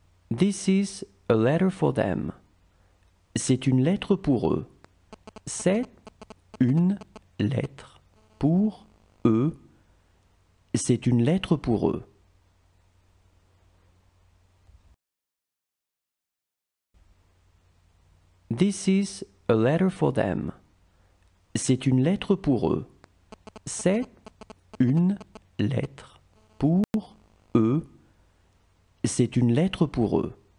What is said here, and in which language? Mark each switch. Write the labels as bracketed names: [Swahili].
[English] This is a letter for them. [French] C'est une lettre pour eux. C'est une lettre pour eux. C'est une lettre pour eux. [English] This is a letter for them. [French] C'est une lettre pour eux. C'est une lettre pour eux. C'est une lettre pour eux.